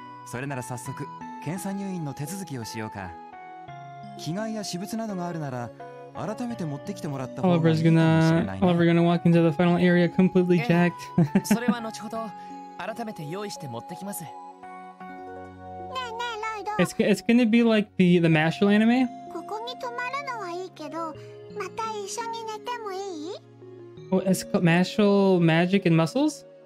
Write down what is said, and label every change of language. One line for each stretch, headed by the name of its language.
Japanese: それなら早速検査入院の手続きをしようか。着替えや私物などがあるなら改めて持ってきてもらった方がいいかもしれないね。
English: Oliver's gonna walk into the final area completely jacked.
Japanese: それは後ほど改めて用意して持ってきます。ねえねえライド、
English: It's gonna be like the Mashal anime.
Japanese: ここに泊まるのはいいけど、また一緒に寝てもいい？
English: Oh, it's called Mashal Magic and Muscles?